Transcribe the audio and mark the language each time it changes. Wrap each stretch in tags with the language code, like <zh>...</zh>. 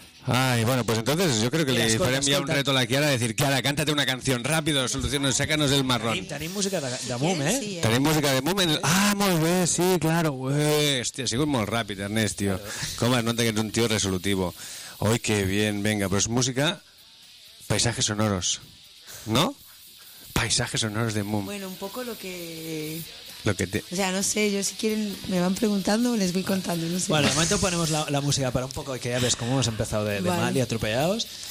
<es>Ay, bueno, pues entonces yo creo que le</es> <ca>farem ja</ca> <es>un reto a la Kiara a decir, Kiara, cántate una canción rápido, solucionos, sácanos del marrón.</es> <ca>Tenim música de Mum, eh? Sí, tenim música de Mum. Ah, molt bé, sí, claro. Hòstia, ha sigut molt ràpid, Ernest, tio. Com es nota que ets un tio resolutivo.</ca> <es>Ay, qué bien, venga, pues música, paisajes sonoros, ¿no? Paisajes sonoros de Mum. Bueno, un poco lo que... Lo que te... O sea, no sé, yo si quieren me van preguntando o les voy contando, no sé. Bueno, de momento ponemos la música para un poco, que ya ves cómo hemos empezado de mal y atropellados.</es>